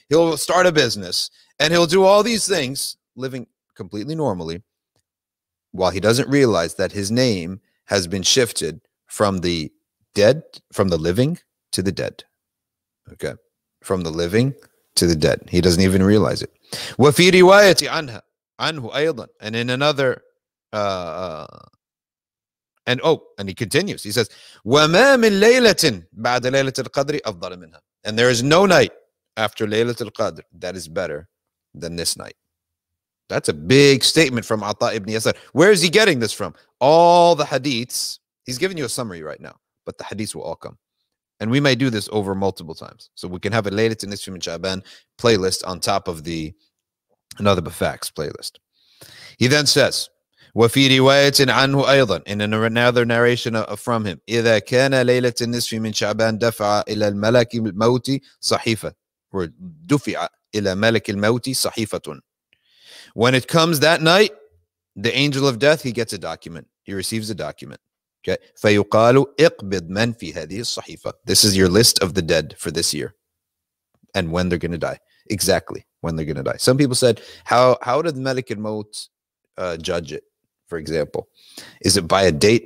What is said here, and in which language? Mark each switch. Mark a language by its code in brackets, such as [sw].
[en] He'll start a business. And he'll do all these things, living completely normally, while he doesn't realize that his name has been shifted from the dead, from the living to the dead. Okay, from the living to the dead. He doesn't even realize it. [ar] وَفِي رِوَايَةِ عَنْهَا عَنْهُ أَيْضًا. [en] And in another, and he continues. He says, [ar] وَمَا مِن لَيْلَةٍ بَعْدَ لَيْلَةِ الْقَدْرِ أَفْضَلَ مِنْهَا. [en] And there is no night after Laylatul Qadr that is better than this night. That's a big statement from Atta ibn Yasar. Where is he getting this from? All the hadiths. He's giving you a summary right now, but the hadiths will all come. And we may do this over multiple times. So we can have a Laylatul Qadr Nisfi min Shaban playlist on top of the Another Facts playlist. He then says, [ar] وَفِي رِوَايَةٍ عَنْهُ أَيْضًا. [en] In another narration from him, [ar] إِذَا كَانَ لَيْلَةٍ نِسْفِ مِنْ شَعْبَانَ دَفَعَ إِلَى الْمَلَكِ الْمَوْتِ صَحِيفَةٌ. [en] Or [ar] دُفِعَ إِلَى مَلَكِ الْمَوْتِ صَحِيفَةٌ. [en] When it comes that night, the angel of death, he gets a document. He receives a document. Okay. [ar] فَيُقَالُ اِقْبِضْ مَنْ فِي هَذِهِ الصَّحِيفَةِ. [en] This is your list of the dead for this year. And when they're going to die. Exactly when they're going to die. Some people said, how did Malik al-Maut judge it, for example? Is it by a date?